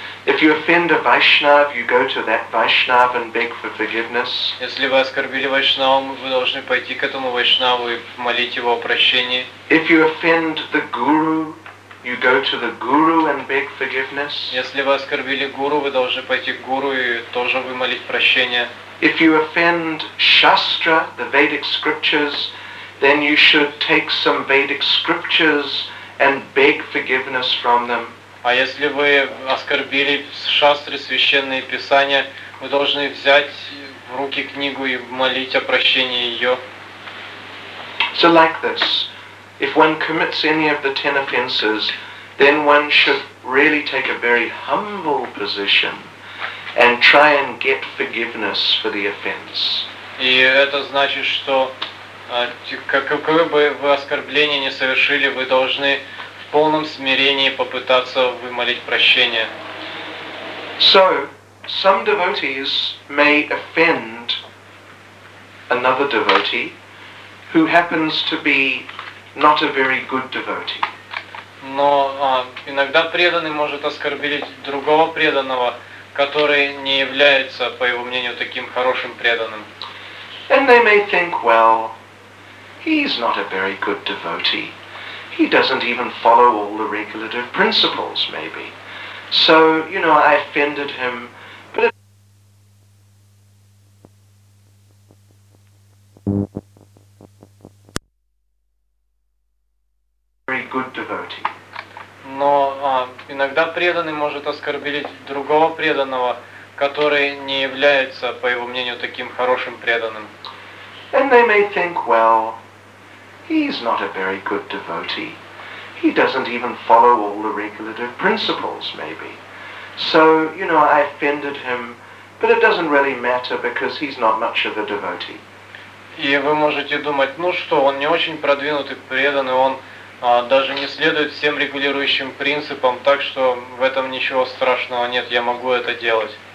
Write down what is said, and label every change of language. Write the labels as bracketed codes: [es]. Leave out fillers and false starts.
[en] If you offend a Vaishnava, you go to that Vaishnava and beg for forgiveness. [ru] Если вы оскорбили Вайшнаву, вы должны пойти к этому Вайшнаву и молить его о прощении. [en] If you offend the Guru, you go to the Guru and beg forgiveness. [ru] Если вы оскорбили Гуру, вы должны пойти к Гуру и тоже вымолить прощение. [en] If you offend Shastra, the Vedic scriptures, then you should take some Vedic scriptures and beg forgiveness from them. [ru] А если вы оскорбили Шастры, священные писания, вы должны взять в руки книгу и молить о прощении ее. [en] So like this, if one commits any of the 10 offenses, then one should really take a very humble position and try and get forgiveness for the offense. [ru] И это значит, что какое бы вы оскорбление не совершили, вы должны в полном смирении попытаться вымолить прощение. [en] So, some devotees may offend another devotee who happens to be not a very good devotee. [ru] Но иногда преданный может оскорбить другого преданного, который не является, по его мнению, таким хорошим преданным. [en] And they may think, well, he's not a very good devotee. He doesn't even follow all the regulative principles, maybe. So, you know, I offended him, but it... very good devotee. [ru] Но иногда преданный может оскорбить другого преданного, который не является, по его мнению, таким хорошим преданным. [en] And they may think, well, he's not a very good devotee. He doesn't even follow all the regulative principles, maybe. So, you know, I offended him, but it doesn't really matter because he's not much of a devotee. [ru] И вы можете думать, ну что, он не очень продвинутый преданный, он даже не следует всем регулирующим принципам, так что в этом ничего страшного нет, я могу это делать.